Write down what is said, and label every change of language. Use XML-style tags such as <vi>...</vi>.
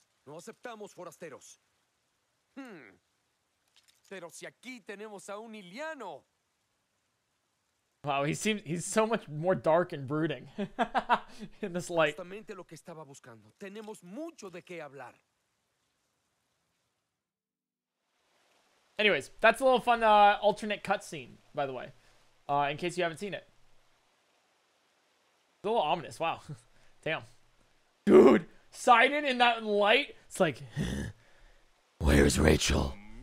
<es>No aceptamos forasteros. Pero si aquí tenemos a un Iliano.</es> <en>Wow, he's so much more dark and brooding in this light.</en> <es>Justamente lo que estaba buscando. Tenemos mucho de qué hablar.</es> <en>Anyways, that's a little fun alternate cutscene, by the way, in case you haven't seen it. It's a little ominous. Wow. Damn. Dude, Sidon in that light? It's like, where's Rachel?</en>